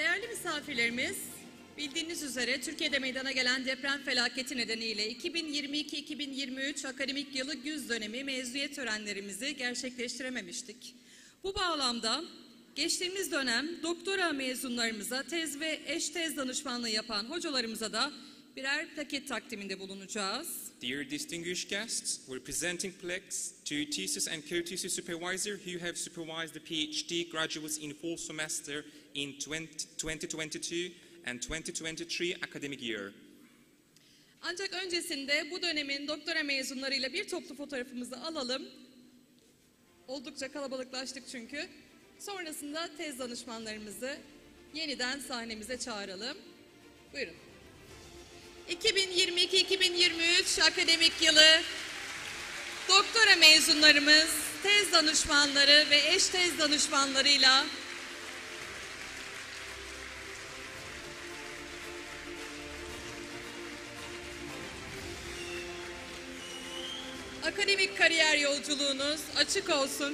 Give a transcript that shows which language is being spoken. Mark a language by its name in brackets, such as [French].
[Turkish] Misafirlerimiz, bildiğiniz üzere Türkiye'de meydana gelen deprem felaketi nedeniyle 2022-2023 akademik yılı güz dönemi mezuniyet törenlerimizi gerçekleştirememiştik. Bu bağlamda geçtiğimiz dönem doktora mezunlarımıza tez ve eş tez danışmanlığı yapan hocalarımıza da birer plaket takdiminde bulunacağız. [English] Dear distinguished guests, we're presenting plaques to thesis and co-thesis supervisor who have supervised the PhD graduates in fall semester in 2022 and 2023 academic year. [Turkish] Ancak öncesinde bu dönemin doktora mezunlarıyla bir toplu fotoğrafımızı alalım. Oldukça kalabalıklaştık çünkü. Sonrasında tez danışmanlarımızı yeniden sahnemize çağıralım. Buyurun. 2022-2023 akademik yılı doktora mezunlarımız, tez danışmanları ve eş tez danışmanlarıyla akademik kariyer yolculuğunuz açık olsun.